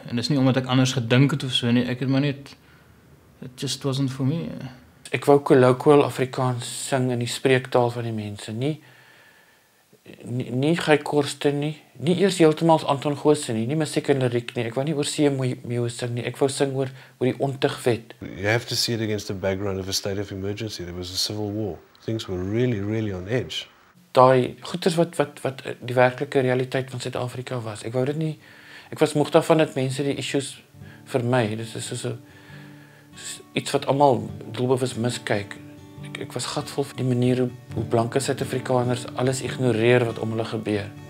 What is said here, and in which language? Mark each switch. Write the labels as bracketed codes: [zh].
[af] En dis nie omdat ek anders gedink het of so nie. Ek het maar net [en] it just wasn't for me. [af] Ek wou colloquial Afrikaans sing in die spreektaal van die mense. Nie Guy Korsten nie. Nie eers heeltemal Anton Goosen nie. Nie musiek en liriek nie. Ek wou nie oor see mee sing nie. Ek wou sing oor die ontugwet. [en] You have to see it against the background of a state of emergency. There was a civil war. Things were really, really on edge. [af] Daai goeters wat die werklike realiteit van Suid-Afrika was. Ek wou dit nie... Ek was moeg daarvan dat mense die issues vermy. Dit is soos iets wat allemaal doelbewus miskyk. Ek was gatvol van die manier hoe blanke Suid-Afrikaners alles ignoreer wat om hulle gebeur.